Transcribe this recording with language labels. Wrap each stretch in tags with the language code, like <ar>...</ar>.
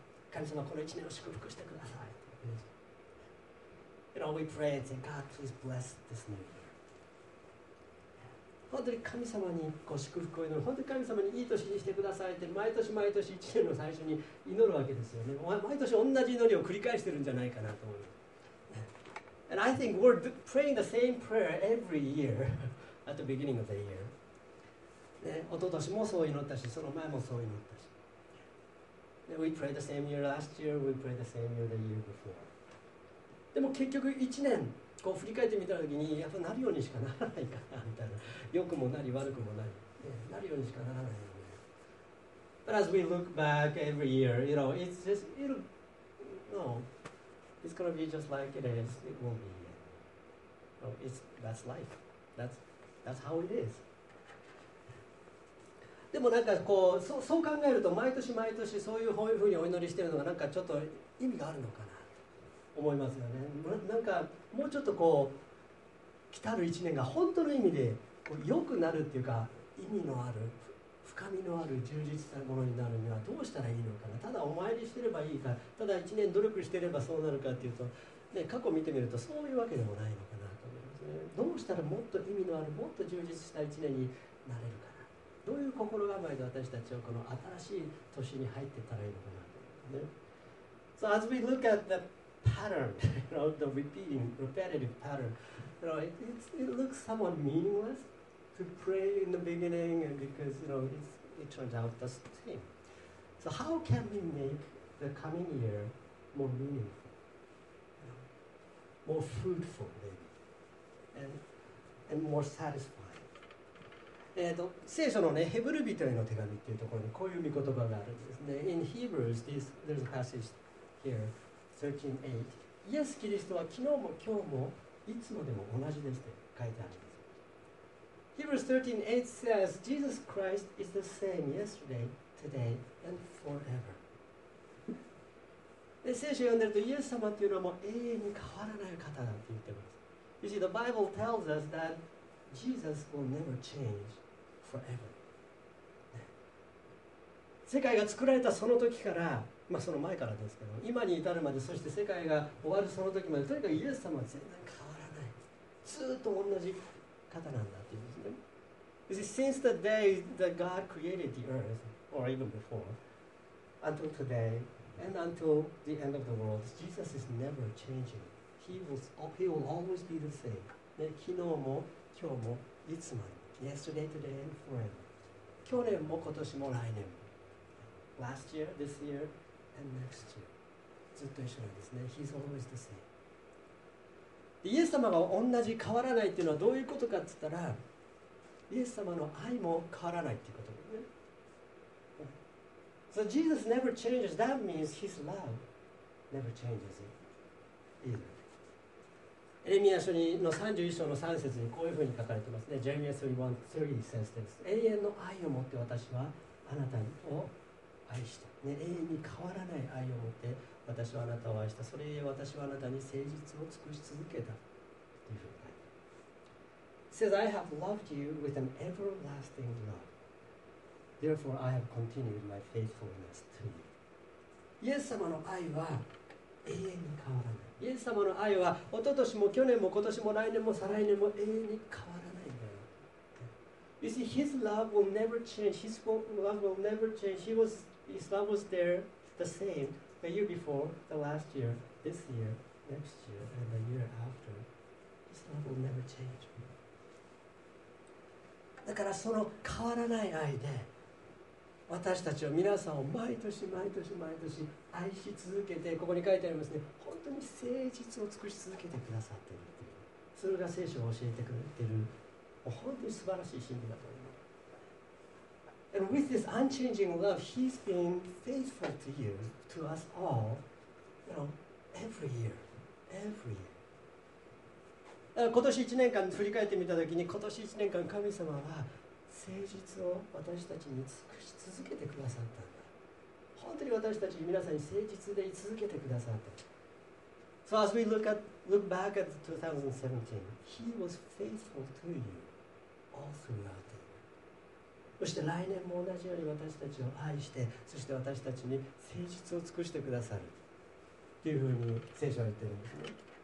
<ja>神様この一年を祝福してください。</ja> <en>You know, we pray and say, God, please bless this new year.</en> <ja>本当に神様にご祝福を祈る。本当に神様にいい年にしてくださいって毎年毎年1年の最初に祈るわけですよね。毎年同じ祈りを繰り返してるんじゃないかなと思う。</ja> <en>And I think we're praying the same prayer every year at the beginning of the year.</en> <ja>ね、一昨年もそう祈ったし、その前もそう祈ったし。</ja> <en>And、we prayed the same year last year, we prayed the same year the year before.</en> <ja>でも結局1年こう振り返ってみたときにやっぱなるようにしかならないかなみたいな、良くもなり悪くもなり、ね、なるようにしかならないよね。</ja> <en>But as we look back every year, you know, it's just, it'll, no, it's gonna be just like it is, it won't be. No, it's, that's life. That's how it is.</en> <ja>でもなんかこう、そう考えると毎年毎年そういうふうにお祈りしてるのがなんかちょっと意味があるのかな。思いますよね。なんかもうちょっとこう来たる一年が本当の意味で良くなるっていうか、意味のある深みのある充実したものになるにはどうしたらいいのかな。ただお参りしてればいいか、ただ一年努力してればそうなるかっていうと、ね、過去見てみるとそういうわけでもないのかなと思いますね。どうしたらもっと意味のある、もっと充実した一年になれるかな。どういう心構えで私たちはこの新しい年に入っていったらいいのかなと思いますね。</ja> <en>So as we look at thepattern, you know, the repeating, repetitive pattern. You know, it looks somewhat meaningless to pray in the beginning because, you know, it's, it turns out the same. So how can we make the coming year more meaningful, more fruitful, maybe, and more satisfying?</en> <ja>聖書のね、ヘブル人への手紙っていうところにこういう御言葉があるんですね。</ja> <en>In Hebrews, there's a passage here, 13:8.</en> <ja>イエス・キリストは昨日も今日もいつもでも同じですって書いてあるんです。</ja> <en>Hebrews 13:8 says, Jesus Christ is the same yesterday, today, and forever.</en> <ja>で、聖書を読んでると、イエス様っていうのはもう永遠に変わらない方だって言ってます。</ja> <en>You see, the Bible tells us that Jesus will never change forever.、</en> <ja>ね、世界が作られたその時から、まあその前からですけど、今に至るまで、そして世界が終わるその時まで、とにかくイエス様は全然変わらない。ずっと同じ方なんだっていうんですね。</ja> <en>You see, since the day that God created the earth, or even before, until today,And until the end of the world, Jesus is never changing. He will always be the same.</en> <ja>昨日も今日もいつまで。</ja> <en>Yesterday, today, and forever.</en> <ja>去年も今年も来年も。</ja> <en>Last year, this year, and next year.</en> <ja>ずっと一緒なんですね。</ja> <en>He's always the same.</en> <ja>イエス様が同じ変わらないっていうのはどういうことかって言ったら、イエス様の愛も変わらないっていうことですね。</ja> <en>So Jesus never changes. That means His love never changes either.</en> <ja>エレミヤ書の31章の3節にこういうふうに書かれてますね。</ja> <en>Jeremiah 31:3 says this.</en> <ja>永遠の愛を持って私はあなたを愛した、ね。永遠に変わらない愛を持って私はあなたを愛した。それゆえ私はあなたに誠実を尽くし続けた。というふうに書いてます。</ja> <en>He says, I have loved you with an everlasting love. Therefore, I have continued my faithfulness to you.</en> <ja>イエス様の愛は永遠に変わらない。イエス様の愛は一昨年も去年も今年も来年も再来年も永遠に変わらないんだよ。</ja> <en>You see, His love will never change. His love will never change. His love was there the same the year before, the last year, this year, next year, and the year after. His love will never change.</en> <ja>だからその変わらない愛で私たちは皆さんを毎年毎年毎年愛し続けて、ここに書いてありますね、本当に誠実を尽くし続けてくださっているという、それが聖書を教えてくれている本当に素晴らしい真理だと思います。</ja> <en>And with this unchanging love, He's been faithful to you, to us all, you know, every year, every year.</en> <ja>今年1年間振り返ってみたときに、今年1年間神様は誠実を私たちに尽くし続けてくださったんだ。本当に私たち皆さんに誠実でい続けてくださった。</ja> <en>So as we look back at 2017, He was faithful to you all throughout the year.</en> <ja>そして来年も同じように私たちを愛して、そして私たちに誠実を尽くしてくださるというふうに聖書は言ってるんですね。</ja>